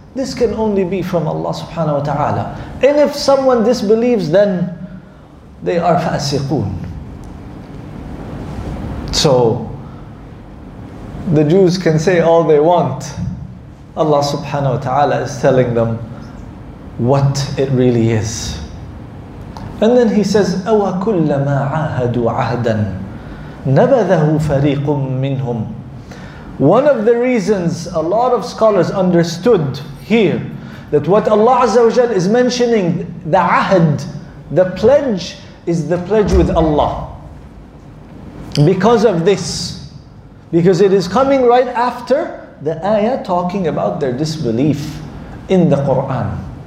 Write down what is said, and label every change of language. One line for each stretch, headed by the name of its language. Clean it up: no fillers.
English: This can only be from Allah subhanahu wa ta'ala. And if someone disbelieves, then they are fasiqun. So the Jews can say all they want, Allah subhanahu wa ta'ala is telling them what it really is. And then he says,
Arabic: أَوَ كُلَّمَا عَاهَدُوا عَهْدًا نَبَذَهُ فَرِيقٌ مِّنْهُمْ.
English: One of the reasons a lot of scholars understood here that what Allah Azza wa Jal is mentioning, the ahd, the pledge, is the pledge with Allah. Because of this, because it is coming right after the ayah talking about their disbelief in the Quran.